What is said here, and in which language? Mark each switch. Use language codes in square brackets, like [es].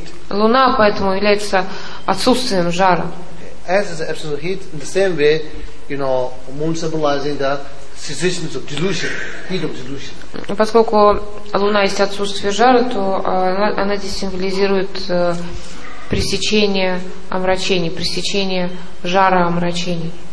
[ru] Луна поэтому является отсутствием жара. [en] As is the absence of heat, in the same way, you know, moon symbolizing the cessation of delusion, heat of delusion. [ru] Поскольку Луна есть отсутствие жара, то она здесь символизирует пресечение омрачений, пресечение жара омрачений.